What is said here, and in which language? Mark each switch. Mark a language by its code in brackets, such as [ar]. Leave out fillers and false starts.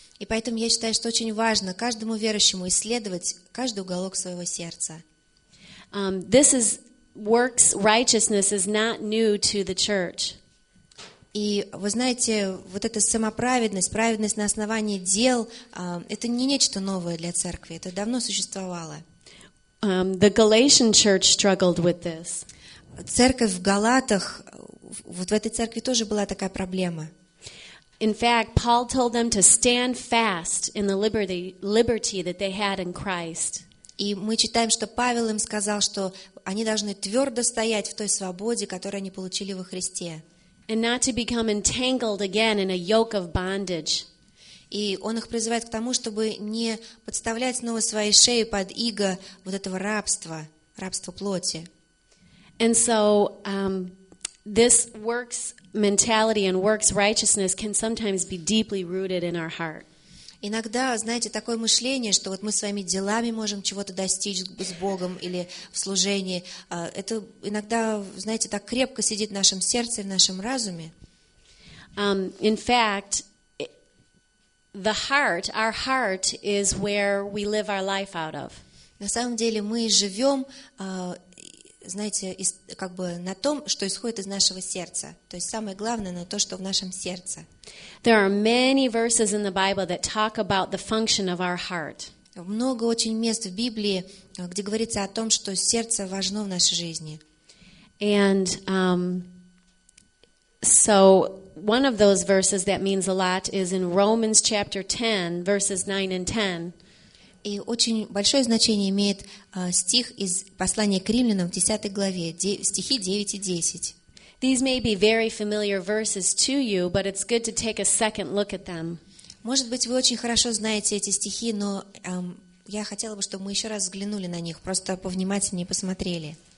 [ru] И поэтому я считаю, что очень важно каждому верующему исследовать каждый уголок своего сердца. [en] This is works righteousness is not new to the church. [ru] И вы знаете, вот эта самоправедность, праведность на основании дел, это не нечто новое для церкви, это давно существовало. [en] The Galatian church struggled with this. [ru] Церковь в Галатах, вот в этой церкви тоже была такая проблема. [en] In fact, Paul told them to stand fast in the liberty that they had in Christ. [ru] И мы читаем, что Павел им сказал, что они должны твердо стоять в той свободе, которую они получили во Христе. [en] And not to become entangled again in a yoke of bondage. [ru] И он их призывает к тому, чтобы не подставлять снова свои шеи под иго вот этого рабства, рабства плоти. [en] And so this works mentality and works righteousness can sometimes be deeply rooted in our heart. [ru] Иногда, знаете, такое мышление, что вот мы своими делами можем чего-то достичь с Богом или в служении, это иногда, знаете, так крепко сидит в нашем сердце и в нашем разуме. [en] In fact, the heart, our heart is where we live our life out of. [ru] На самом деле мы живем, знаете, как бы на том, что исходит из нашего сердца. То есть самое главное на то, что в нашем сердце. [en] There are many verses in the Bible that talk about the function of our heart. [ru] Много очень мест в Библии, где говорится о том, что сердце важно в нашей жизни. [en] And so one of those verses that means a lot is in Romans chapter 10, verses 9 and 10. [ru] И очень большое значение имеет стих из послания к Римлянам в 10 главе, стихи 9 и 10. [en] These may be very familiar verses to you, but it's good to take a second look at them. [ru] Может быть, вы очень хорошо знаете эти стихи, но я хотела бы, чтобы мы еще раз взглянули на них, просто повнимательнее посмотрели.